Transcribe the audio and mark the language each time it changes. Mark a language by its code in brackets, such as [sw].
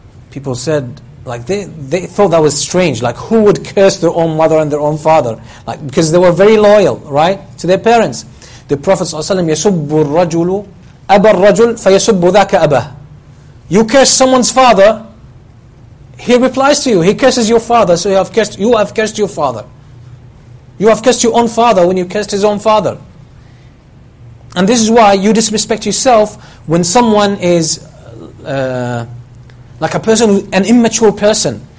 [en] People said, like, they thought that was strange, like, who would curse their own mother and their own father? Like, because they were very loyal, right, to their parents. The Prophet ﷺ, [ar] يَسُبُّ الرَّجُلُ أَبَى الرَّجُلُ فَيَسُبُّ ذَاكَ أَبَهُ. [en] You curse someone's father, he replies to you, he curses your father, so you have cursed your father. You have cursed your own father when you cursed his own father. And this is why you disrespect yourself when someone is like a person, an immature person.